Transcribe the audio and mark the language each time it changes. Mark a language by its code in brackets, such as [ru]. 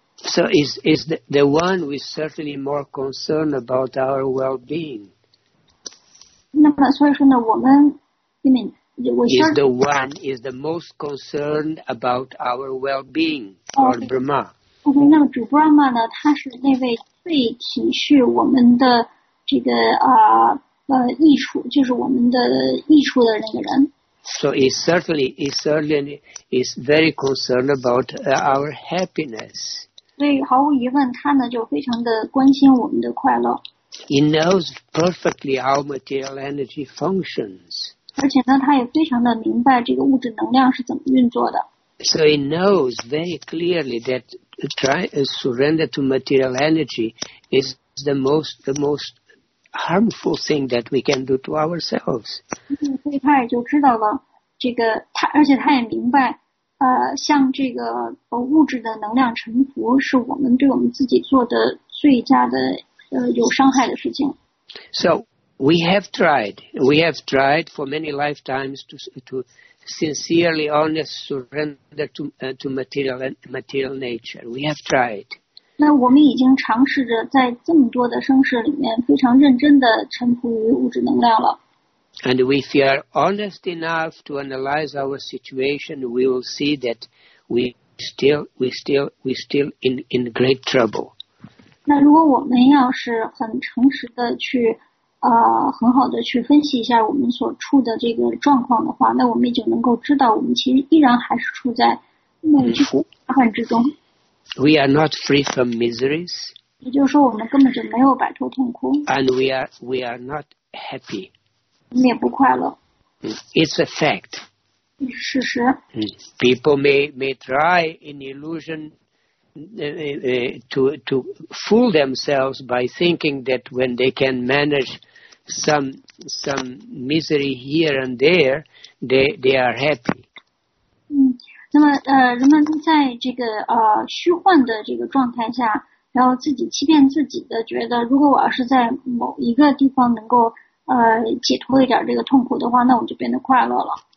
[en] So is the one who is certainly more concerned about our well-being. [zh] 那么所以说呢，我们 ， [en] I mean, [zh] 我 [en] is the most concerned about our well-being, Lord Brahma. [zh] OK, 那么主布拉玛呢？他是那位最体恤我们的。这个益处就是我们的益处的那个人。 [en] So he certainly is very concerned about our happiness. [zh] 所以毫无疑问，他呢就非常的关心我们的快乐。 [en] He knows perfectly how material energy functions. [zh] 而且呢，他也非常的明白这个物质能量是怎么运作的。 [en] So he knows very clearly that surrender to material energy is the most harmful thing that we can do to ourselves. [zh] 所以他也就知道了这个他，而且他也明白，像这个物质的能量臣服是我们对我们自己做的最佳的有伤害的事情。 [en] So we have tried for many lifetimes to sincerely, honest surrender to material nature. We have tried. [zh] 那我们已经尝试着在这么多的生世里面非常认真地臣服于物质能量了。 [en] And if we are honest enough to analyze our situation, we will see that we still in great trouble. [zh] 那如果我们要是很诚实地去很好地去分析一下我们所处的这个状况的话，那我们也就能够知道我们其实依然还是处在那个麻烦之中。 [en] We are not free from miseries. [zh] 也就是说，我们根本就没有摆脱痛苦。 [en] And we are not happy. [zh] 我们也不快乐。 [en] It's a fact. [zh] 事实。 [en] People may try in illusion to fool themselves by thinking that when they can manage some misery here and there, they are happy. [zh] 那么人们在这个虚幻的这个状态下，然后自己欺骗自己的，觉得如果我要是在某一个地方能够解脱一点这个痛苦的话，那我就变得快乐了。